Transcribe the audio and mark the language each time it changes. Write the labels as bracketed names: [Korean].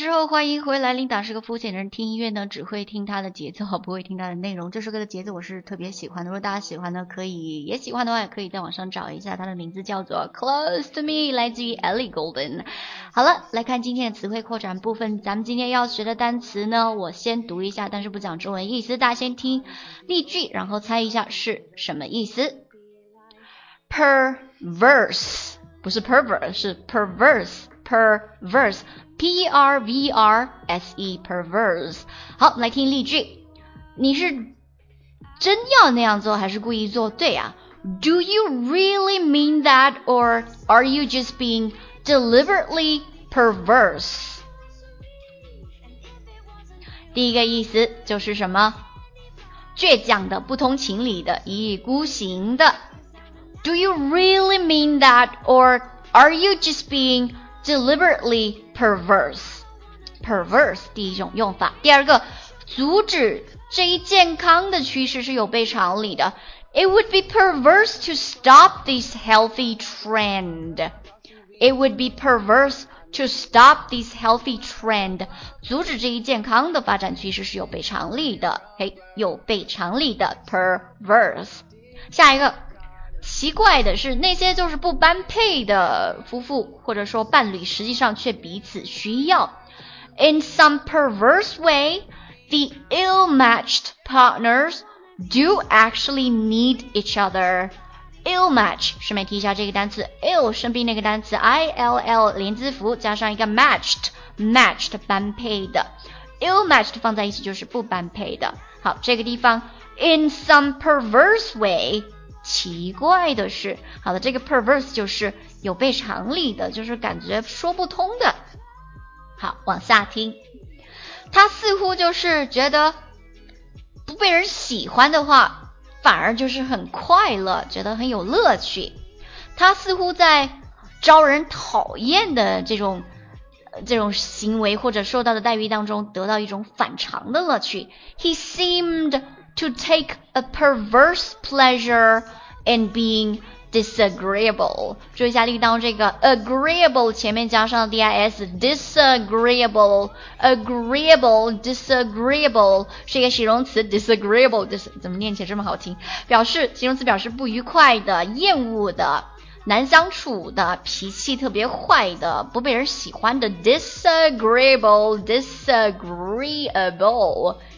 [Chinese] 欢迎回来，琳达是个肤浅人，听音乐呢只会听它的节奏，不会听它的内容。这首歌的节奏我是特别喜欢的，如果大家喜欢呢，可以也喜欢的话，也可以在网上找一下，它的名字叫做 Close to Me， 来自于 Ellie Goulding。好了，来看今天的词汇扩展部分，咱们今天要学的单词呢，我先读一下，但是不讲中文意思，大家先听例句，然后猜一下是什么意思。 [English] Perverse， 不是 perverse， 是 perverse。 Perverse, P-R-V-R-S-E, perverse. [Chinese] 好，来听例句。你是真要那样做还是故意做？对啊。 [English] Do you really mean that or are you just being deliberately perverse? [Chinese] 第一个意思就是什么？倔强的，不通情理的，一意孤行的。 [English] Do you really mean that or are you just being deliberately perverse. [Chinese] Perverse 第一种用法。第二个，阻止这一健康的趋势是有悖常理的。 [English] It would be perverse to stop this healthy trend. It would be perverse to stop this healthy trend. [Chinese] 阻止这一健康的发展趋势是有悖常理的。有悖常理的 perverse. 下一个，奇怪的是那些就是不般配的夫妇或者说伴侣实际上却彼此需要。 [English] In some perverse way, the ill-matched partners do actually need each other. [Chinese] Ill-match, 顺便提一下这个单词， ill 身边那个单词 ill 连字符加上一个 matched 般配的， ill-matched 放在一起就是不般配的。好，这个地方 [English] in some perverse way， [Chinese] 奇怪的是，好的，这个 perverse 就是有悖常理的，就是感觉说不通的。好，往下听。他似乎就是觉得不被人喜欢的话反而就是很快乐，觉得很有乐趣。他似乎在招人讨厌的这种行为或者受到的待遇当中得到一种反常的乐趣。 [English] He seemed to take a perverse pleasure in being disagreeable。 [Chinese] 注意一下力道，这个 agreeable 前面加上 dis， disagreeable， agreeable， disagreeable 是一个形容词， disagreeable， 怎么念起来这么好听，表示形容词，表示不愉快的，厌恶的，难相处的，脾气特别坏的，不被人喜欢的， disagreeable， disagreeable。